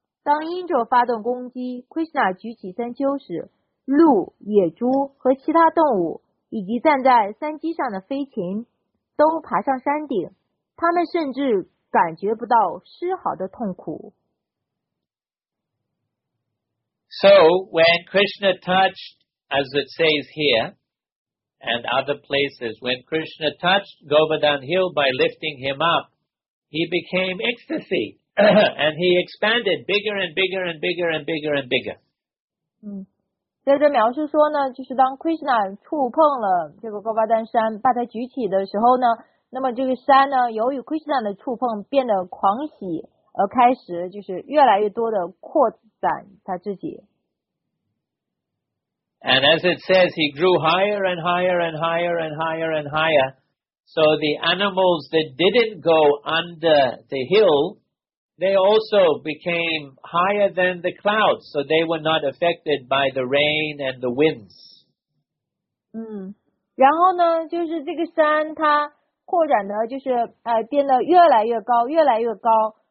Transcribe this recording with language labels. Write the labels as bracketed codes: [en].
[zh] 当因着发动攻击奎希纳举起山丘时鹿野猪和其他动物以及站在山脊上的飞禽都爬上山顶他们甚至感觉不到丝毫的痛苦 [en] So when Krishna touched as it says here and other places when Krishna touched Govardhan Hill by lifting him up he became ecstasy and he expanded bigger and bigger and bigger and bigger and bigger [zh] 在这描述说呢，就是当 Krishna 触碰了这个戈巴丹山，把它举起的时候呢，那么这个山呢，由于 Krishna 的触碰变得狂喜，而开始就是越来越多的扩展他自己。 [en] And as it says, he grew higher and higher and higher and higher and higher. So the animals that didn't go under the hill, they also became higher than the clouds, so they were not affected by the rain and the winds. [zh] 然后呢，就是这个山它扩展的就是变得越来越高，越来越高。